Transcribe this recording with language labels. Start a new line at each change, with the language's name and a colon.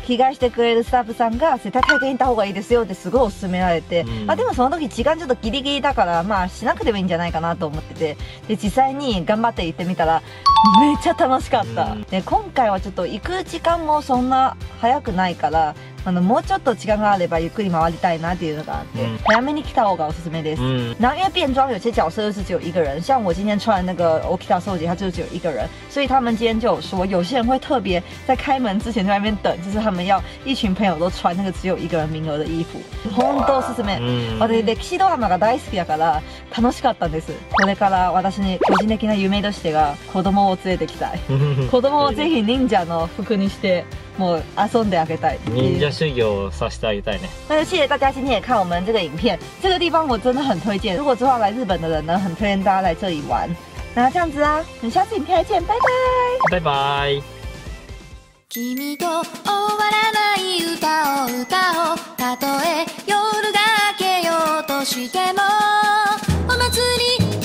Japanese: 着替えしてくれるスタッフさんが絶対体験行った方がいいですよってすごいおすすめられて、うん、あでもその時時間ちょっとギリギリだからまあしなくてもいいんじゃないかなと思ってて、で実際に頑張って行ってみたらめっちゃ楽しかった、うん、で今回はちょっと行く時間もそんな早くないから、あのもうちょっと時間があればゆっくり回りたいなっていうのがあって、うん、早めに来た方がおすすめです、うん、
Chinese: 那因为变装有些角色就是只有一个人，像我今天穿那个沖田総司，他就是只有一个人，所以他们今天就有说有些人会特别在开门之前在外面等，就是他们要一群朋友都穿那个只有一个人名额的衣服。
Japanese: 本当おすすめ、うん、私歴史ドラマが大好きだから楽しかったんです。これから私に個人的な夢としては子供を連れてきたい子供をぜひ忍者の服にしてもう遊んであげたい。忍者修行をさせてあげたいね。
Chinese: 那就谢谢大家今天也看我们这个影片，这个地方我真的很推荐。如果之后来日本的人呢，很推荐大家来这里玩。那这样子啊，我们下次影片再见，拜拜。拜拜。
Japanese: 君と終わらない歌を歌おう。たとえ夜が明けようとしても、お祭り。